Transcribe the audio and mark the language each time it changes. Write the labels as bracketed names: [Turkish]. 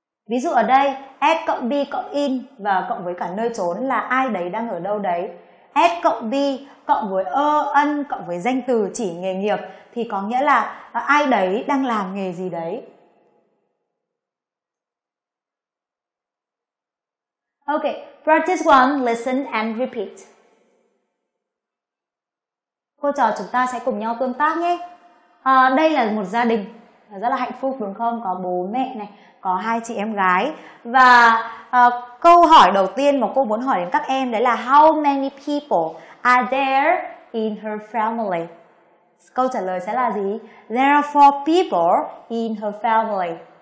[Vietnamese] Ví dụ ở đây, S cộng B cộng in và cộng với cả nơi chốn là ai đấy đang ở đâu đấy. S cộng B cộng với ân cộng với danh từ chỉ nghề nghiệp thì có nghĩa là ai đấy đang làm nghề gì đấy. [English] Ok, practice one, listen and repeat. [Vietnamese] Cô trò chúng ta sẽ cùng nhau tương tác nhé. Đây là một gia đình rất là hạnh phúc đúng không? Có bố mẹ này, có hai chị em gái. Và câu hỏi đầu tiên mà cô muốn hỏi đến các em đấy là [English] how many people are there in her family? [Vietnamese] Câu trả lời sẽ là gì? [English] There are four people in her family.